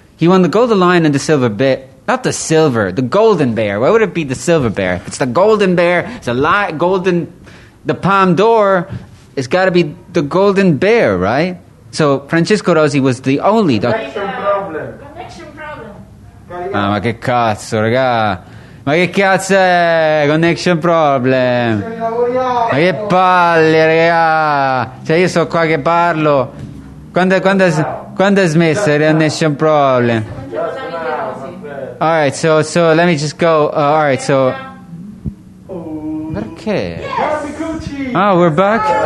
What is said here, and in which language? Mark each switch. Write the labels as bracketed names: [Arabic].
[English] He won the Golden Lion and the Silver Bear. Not the silver, the golden bear. Why would it be the silver bear? It's the golden bear. It's a light golden. The Palme d'Or. It's got to be the golden bear, right? So Francesco Rosi was the only connection problem. [Italian] Ma che cazzo, raga? Ma che cazzo è connection problem? Ma che palle, raga? Cioè io sto qua che parlo. Quando è smesso il connection problem? [English] Alright, so let me just go. Alright, so. Okay. Oh, we're back?